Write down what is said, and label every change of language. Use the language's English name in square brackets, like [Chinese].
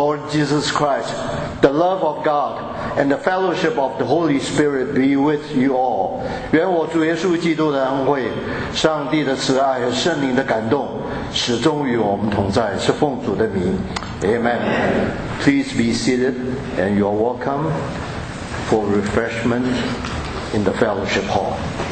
[English] Jesus Christ, the love of God, and the fellowship of the Holy Spirit be with you all. [Chinese] 愿我主耶稣基督的恩惠，上帝的慈爱和圣灵的感动，始终与我们同在，是奉主的名。 [English] Amen. Please be seated, and you're welcome for refreshment in the fellowship hall.